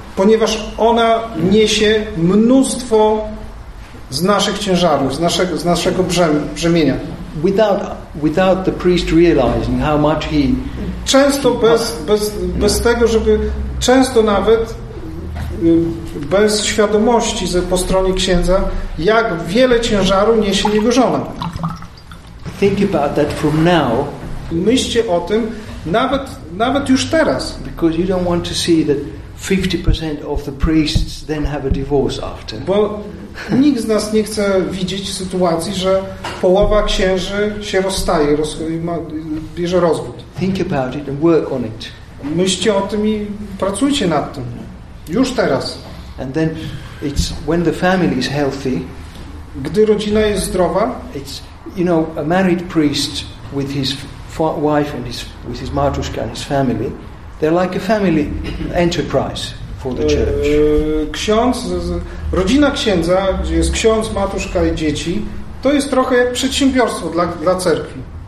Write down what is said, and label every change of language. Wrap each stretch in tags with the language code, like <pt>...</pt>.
<pl>Ponieważ ona niesie mnóstwo z naszych ciężarów, z naszego brzemienia.</pl> <en>Without the priest realizing how much he</en> <pl>często bez tego, żeby często nawet bez świadomości po stronie księdza, jak wiele ciężaru niesie jego żona.</pl> <en>Think about that from now.</en> <pl>Myślcie o tym nawet już teraz.</pl> <en>Because you don't want to see that 50% of the priests then have a divorce after.</en> <pl>Bo nikt z nas nie chce widzieć sytuacji, że połowa księży się rozstaje, bierze rozwód.</pl> <en>Think about it and work on it.</en> <pl>Myślcie o tym i pracujcie nad tym. Już teraz.</pl> <en>And then it's when the family is healthy.</en> <pl>Gdy rodzina jest zdrowa,</pl> <en>it's, you know, a married priest with his wife and his with his matrushka and his family, they're like a family enterprise for the church.</en> <pl>Ksiądz, rodzina księdza, gdzie jest ksiądz, matuszka i dzieci, to jest trochę jak przedsiębiorstwo dla cerkwi.</pl>